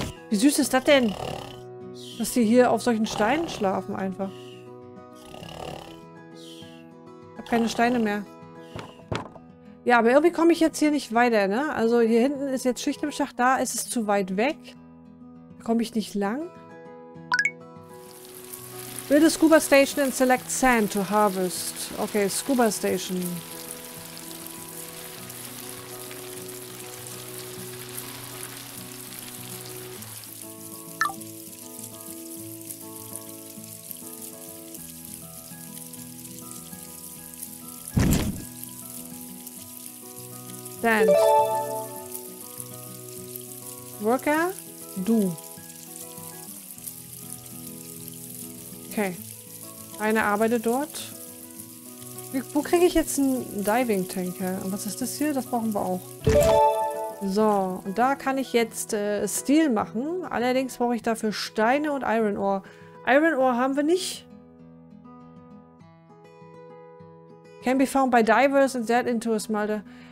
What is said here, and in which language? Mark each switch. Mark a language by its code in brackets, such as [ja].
[de] Wie süß ist das denn? Dass die hier auf solchen Steinen schlafen einfach. Ich habe keine Steine mehr. Ja, aber irgendwie komme ich jetzt hier nicht weiter, ne? Also hier hinten ist jetzt Schicht im Schacht, da ist es zu weit weg. Da komme ich nicht lang. [en] Build a scuba station and select sand to harvest. Okay, scuba station. Sand. [de] Worker, du. Okay. Eine arbeitet dort. Wo kriege ich jetzt einen Diving Tanker? Und was ist das hier? Das brauchen wir auch. So, und da kann ich jetzt Steel machen. Allerdings brauche ich dafür Steine und Iron Ore. Iron Ore haben wir nicht. [en] Can be found by divers and that into a smelter.